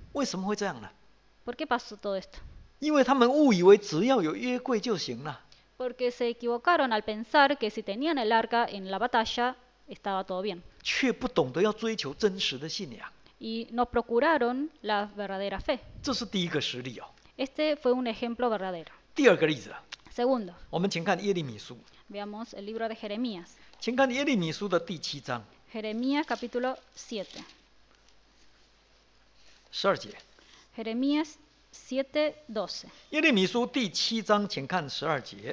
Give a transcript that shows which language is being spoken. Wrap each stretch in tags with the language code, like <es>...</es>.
<es>¿Por qué es así? ¿Por qué pasó todo esto?</es> <zh>因为他们误以为只要有约柜就行了.</zh> <es>Porque se equivocaron al pensar que si tenían el arca en la batalla estaba todo bien.</es> <zh>却不懂得要追求真实的信仰.</zh> <es>Y no procuraron la verdadera fe.</es> <zh>这是第一个实例哦.</zh> <es>Este fue un ejemplo verdadero.</es> <zh>第二个例子.</zh> <es>Segundo.</es> <zh>我们请看耶利米书.</zh> <es>Veamos el libro de Jeremías.</es> <zh>请看耶利米书的第七章.</zh> <es>Jeremías capítulo 7.</es> <zh>12节.</zh> <es>Jeremías 7:12.</es> <zh>耶利米书第七章，请看十二节.</zh>